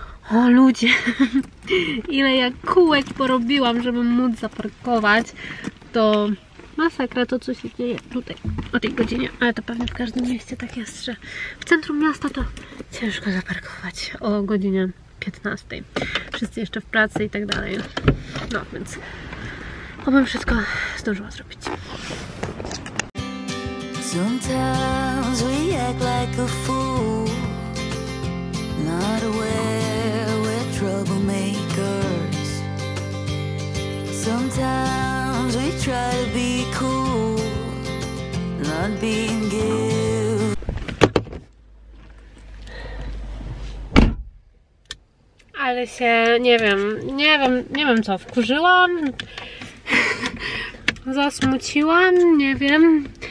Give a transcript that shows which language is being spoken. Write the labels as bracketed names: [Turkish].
[Polish] O ludzie, ile ja kółek porobiłam, żeby móc zaparkować, to masakra to, co się dzieje tutaj o tej godzinie. Ale to pewnie w każdym mieście tak jest, że w centrum miasta to ciężko zaparkować o godzinie 15. Wszyscy jeszcze w pracy i tak dalej. No więc obym wszystko zdążyła zrobić. [English] Sometimes we act like a fool. Not aware we're troublemakers. Sometimes we try to be cool, not being guilty. [Polish] Ale się nie wiem co, wkurzyłam, zasmuciłam, nie wiem.